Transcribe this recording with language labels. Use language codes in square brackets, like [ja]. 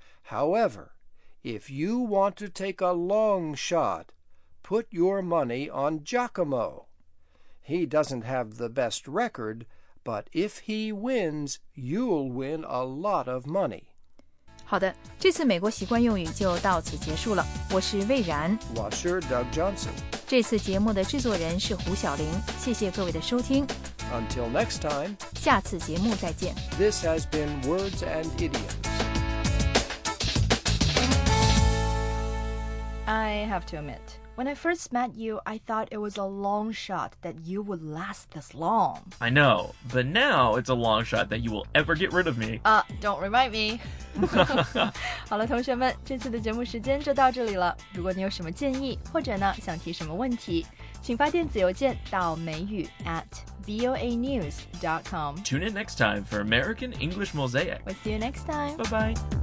[en] However,If you want to take a long shot, put your money on Giacomo. He doesn't have the best record, but if he wins, you'll win a lot of money. [zh] 好的，这次美国习惯用语就到此结束了。我是魏然。我是 Doug Johnson。这次节目的制作人是胡晓玲。谢谢各位的收听。 [en] Until next time. [zh] 下次节目再见。 [en] This has been Words and Idioms. I have to admit, when I first met you, I thought it was a long shot that you would last this long. I know, but now it's a long shot that you will ever get rid of me. Don't remind me. [zh] 好了，同学们，这次的节目时间就到这里了。如果你有什么建议，或者呢，想提什么问题，请发电子邮件到美语@voanews.com. [en] Tune in next time for American English Mosaic. We'll see you next time. Bye-bye.